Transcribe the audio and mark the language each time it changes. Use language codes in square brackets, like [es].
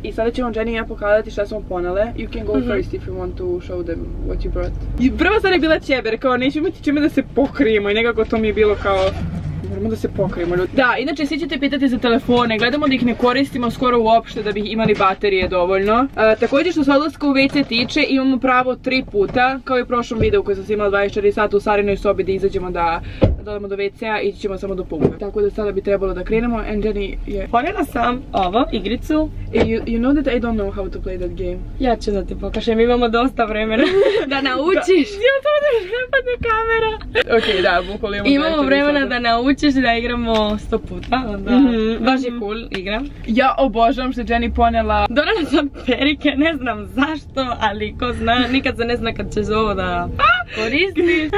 [sr] I sada ćemo Jenny i ja pokazati šta smo ponele. [en] You can go first if you want to show them what you brought. [sr] I prva stvar je bila ćeber, kao neću imati čime da se pokrijemo i nekako to mi je bilo kao... Moramo da se pokrijemo, ljudi. Da, inače svi ćete pitati za telefone, gledamo da ih ne koristimo skoro uopšte da bi imali baterije dovoljno. Također što se odlaska u WC tiče, imamo pravo 3 puta, kao i u prošlom videu koji sam snimala 24 sata u Sarinoj sobi da izađemo da dodamo do WC-a i ćemo samo do pumpe. Tako da sada bi trebalo da krenemo, and Jenny je... Ponijela sam ovo, igricu. [en] You know that I don't know how to play that game. [sr] Ja ću da ti pokažem, imamo dosta vremena. Da naučiš! Ja to da šepadne kamera! Okej, da, bukvalo imamo... Imamo vremena da naučiš da igramo 100 puta, onda... Baš je cool, igram. Ja obožavam što je Jenny ponijela... Donala sam perike, ne znam zašto, ali ko zna, nikad se ne zna kad ćeš ovo da koristiš.